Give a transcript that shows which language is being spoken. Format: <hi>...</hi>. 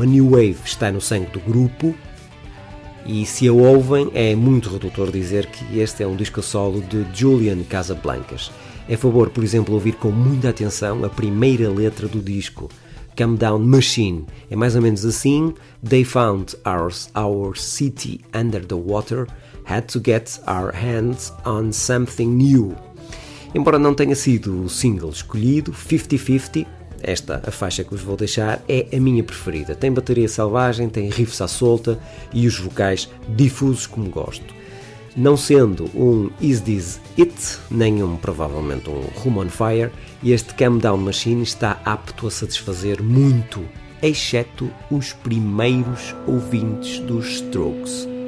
<pt>A New Wave está no sangue do grupo, e se a ouvem, é muito redutor dizer que este é um disco solo de Julian Casablancas. É favor, por exemplo, ouvir com muita atenção a primeira letra do disco, Come Down Machine. É mais ou menos assim:</pt> <en>They found our city under the water, had to get our hands on something new.</en> <pt>Embora não tenha sido o single escolhido, 50-50, esta, a faixa que vos vou deixar, é a minha preferida. Tem bateria selvagem, tem riffs à solta e os vocais difusos como gosto. Não sendo um Is This It, nem um, provavelmente, um Room on Fire, este Come Down Machine está apto a satisfazer muito, exceto os primeiros ouvintes dos Strokes.</pt>